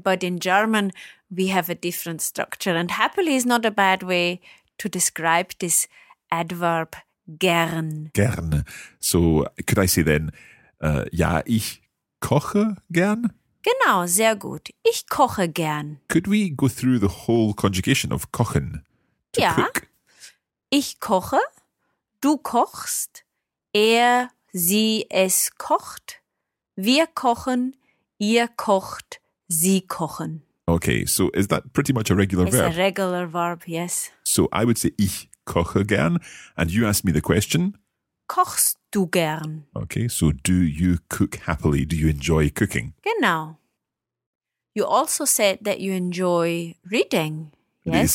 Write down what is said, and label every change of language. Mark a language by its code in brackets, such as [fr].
[en] But in German, we have a different structure. And happily is not a bad way to describe this adverb gern. Gern. So could I say then, [de] ja, ich koche gern? Genau, sehr gut. Ich koche gern. [en] Could we go through the whole conjugation of kochen? [de] Ja. Cook? Ich koche, du kochst, er, sie, es kocht, wir kochen, ihr kocht, sie kochen. [en] Okay, so is that pretty much a regular verb? It's a regular verb, yes. So I would say, [de] ich koche gern, [en] and you ask me the question. [de] Kochst du gern? [en] Okay, so do you cook happily? Do you enjoy cooking? [de] Genau. [en] You also said that you enjoy reading, yes?